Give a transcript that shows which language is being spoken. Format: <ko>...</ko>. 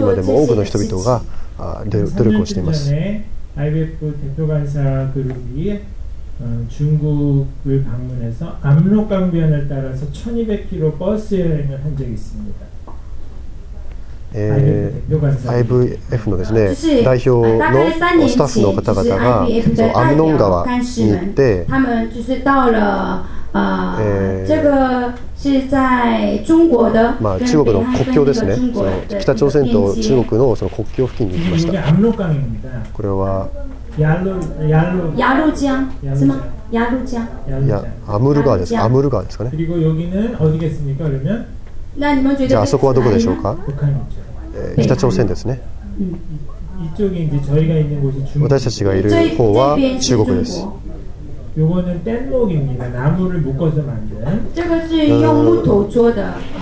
<ko>직면하고있습니다。</ko> <ja>まだすべて解決されていますけども、されていませんけども、その問題を解決されるように多くの人々が努力をしています。お互いにこの歴史的な問題を解決し理解できるように今でも多くの人々が努力をしています。</ja> <ko>중국을 방문해서 압록강변을 따라서 1200km 버스 여행을 한 적이 있습니다.</ko> <ja>IVFのですね、代表のスタッフの方々が、アムノン川に行って、中国の国境ですね、北朝鮮と中国の国境付近に行きました。これは</ja> <zh>야루江是吗？야루江。</zh> <ja>いや、アムル川です。アムル川ですかね。</ja> <ko>그리고 여기는 어디겠습니까？ 그러면？</ko> <ja>じゃあそこはどこでしょうか？</ja> <ko>북한이죠。</ko> <ja>北朝鮮ですね。</ja> <ko>이쪽에 이제 저희가 있는 곳이 중국. 우리たちが 있는 곳은 중국です。 요거는 뗏목입니다. 나무를 묶어서 만든。</ko> <zh>这个是用木头做的。</zh>